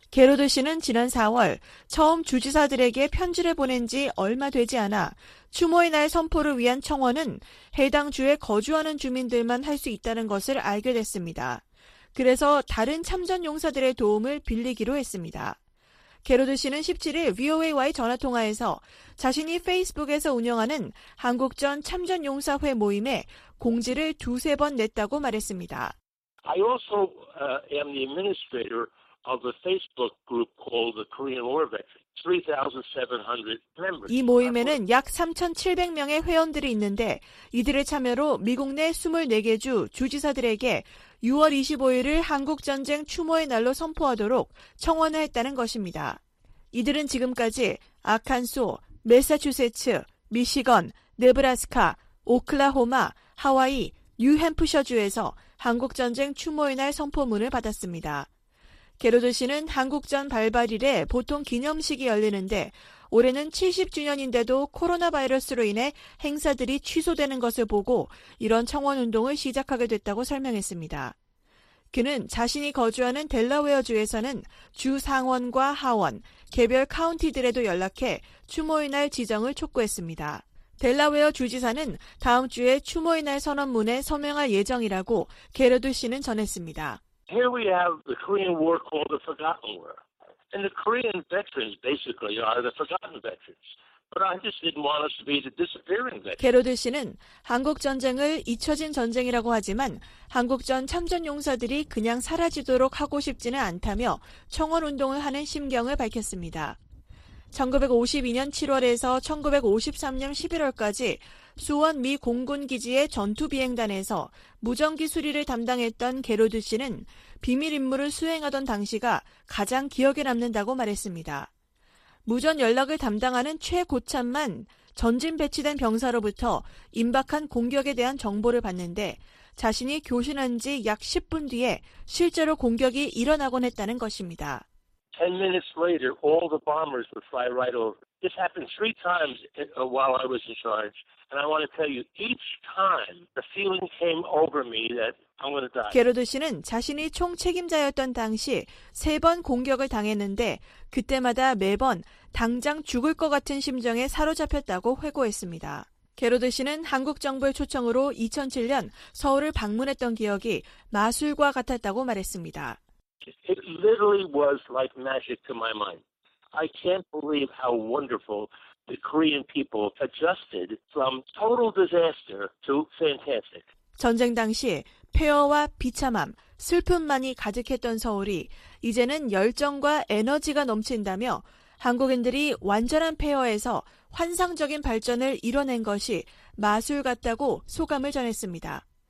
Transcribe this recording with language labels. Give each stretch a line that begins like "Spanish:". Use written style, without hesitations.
Korean: 게로드 씨는 지난 4월 처음 주지사들에게 편지를 보낸 지 얼마 되지 않아 추모의 날 선포를 위한 청원은 해당 주에 거주하는 주민들만 할 수 있다는 것을 알게 됐습니다. 그래서 다른 참전용사들의 도움을 빌리기로 했습니다. 게로드 씨는 17일 VOA와의 전화통화에서 자신이 페이스북에서 운영하는 한국전 참전용사회 모임에 공지를 두세 번 냈다고 말했습니다.
English: I also am the administrator of the Facebook group called the Korean War Veterans.
Korean: 이 모임에는 약 3,700명의 회원들이 있는데 이들의 참여로 미국 내 24개 주 주지사들에게 6월 25일을 한국전쟁 추모의 날로 선포하도록 청원을 했다는 것입니다. 이들은 지금까지 아칸소, 매사추세츠, 미시건, 네브라스카, 오클라호마, 하와이, 뉴햄프셔주에서 한국전쟁 추모의 날 선포문을 받았습니다. 게로드 씨는 한국전 발발일에 보통 기념식이 열리는데 올해는 70주년인데도 코로나 바이러스로 인해 행사들이 취소되는 것을 보고 이런 청원운동을 시작하게 됐다고 설명했습니다. 그는 자신이 거주하는 델라웨어주에서는 주 상원과 하원, 개별 카운티들에도 연락해 추모의 날 지정을 촉구했습니다. 델라웨어 주지사는 다음 주에 추모의 날 선언문에 서명할 예정이라고 게르드 씨는 전했습니다.
English: Here we have the Korean War called the Forgotten War. And the Korean veterans basically are the forgotten veterans. But I just didn't want us to be the disappearing veterans.
Korean: 게르드 씨는 한국 전쟁을 잊혀진 전쟁이라고 하지만 한국전 참전 용사들이 그냥 사라지도록 하고 싶지는 않다며 청원 운동을 하는 심경을 밝혔습니다. 1952년 7월에서 1953년 11월까지 수원 미 공군기지의 전투비행단에서 무전기 수리를 담당했던 게로드 씨는 비밀 임무를 수행하던 당시가 가장 기억에 남는다고 말했습니다. 무전 연락을 담당하는 최고참만 전진 배치된 병사로부터 임박한 공격에 대한 정보를 받는데 자신이 교신한 지 약 10분 뒤에 실제로 공격이 일어나곤 했다는 것입니다.
English: 10 minutes later, all the bombers would fly right over. This happened three times while I was in charge. And I want to tell you, each time, the feeling came over me that I'm going to die.
Korean: 게르드 씨는 자신이 총 책임자였던 당시 세 번 공격을 당했는데 그때마다 매번 당장 죽을 것 같은 심정에 사로잡혔다고 회고했습니다. 게르드 씨는 한국 정부의 초청으로 2007년 서울을 방문했던 기억이 마술과 같았다고 말했습니다.
English: It literally was like magic to my mind. I can't believe how wonderful the Korean people adjusted from total disaster to fantastic.
Korean: 전쟁 당시 폐허와 비참함, 슬픔만이 가득했던 서울이 이제는 열정과 에너지가 넘친다며 한국인들이 완전한 폐허에서 환상적인 발전을 이뤄낸 것이 마술 같다고 소감을 전했습니다.